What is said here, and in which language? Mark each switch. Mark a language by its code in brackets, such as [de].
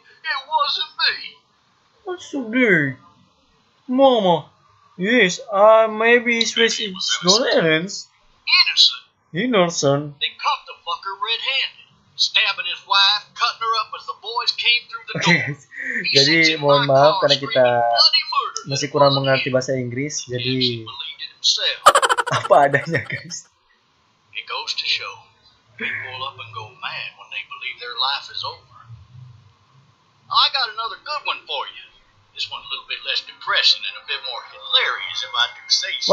[en] It wasn't me. What's the deal? Mama, yes, maybe he's with his grandparents. Innocent. They caught the fucker red-handed. Stabbing his wife, cutting her up as the boys came through the door. [id] Jadi, mohon maaf karena kita masih kurang mengerti bahasa Inggris. Jadi, apa adanya, guys. [en] It goes to show, people up and go mad when they believe their life is over. I got another good one for you. This one's a little bit less depressing and a bit more hilarious, if I do say so.